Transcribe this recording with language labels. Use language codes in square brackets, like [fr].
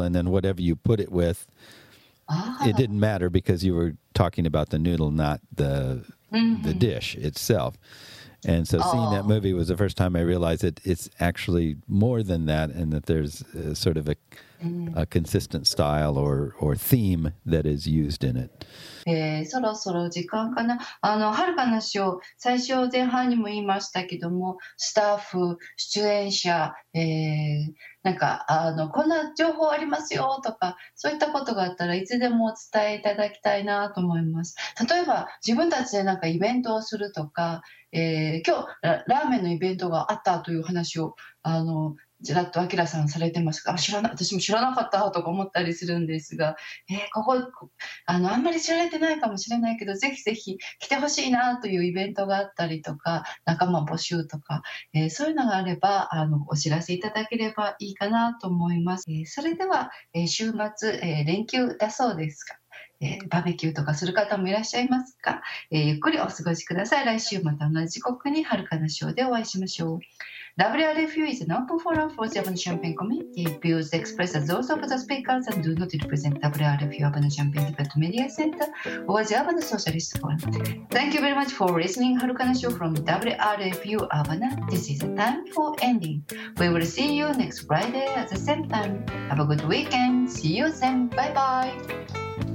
[en] And then whatever you put it with, it didn't matter because you were talking about the noodle, not the, the dish itself. And so seeing that movie was the first time I realized that it's actually more than that and that there's sort of a consistent style or theme that is used in it. [ja] そろそろ時間かな。あの、はるかなしを最初前半にも言いましたけども、スタッフ、出演者、なんか、あの、こんな情報ありますよとか、そういったことがあったらいつでもお伝えいただきたいなと思います。例えば、自分たちでなんかイベントをするとか、今日ラーメンのイベントがあったという話をあのジラッとアキラさんされてますが、知らな、私も知らなかったとか思ったりするんですが、ここあのあんまり知られてないかもしれないけど、ぜひぜひ来てほしいなというイベントがあったりとか、仲間募集とか、そういうのがあればあのお知らせいただければいいかなと思います。それでは、週末、連休だそうですか。バーベキューとかする方もいらっしゃいますか、ゆっくりお過ごしください。来週また同じ時刻に遥かなショーでお会いしましょう。 [en] WRFU is an open forum for the Urban Champaign community. Views expressed as those of the speakers and do not represent WRFU Urban Champaign Debate Media Center or the Urban Socialist Forum. Thank you very much for listening 遥かなショー from WRFU Urban. This is a time for ending. We will see you next Friday at the same time. Have a good weekend. See you then. Bye bye.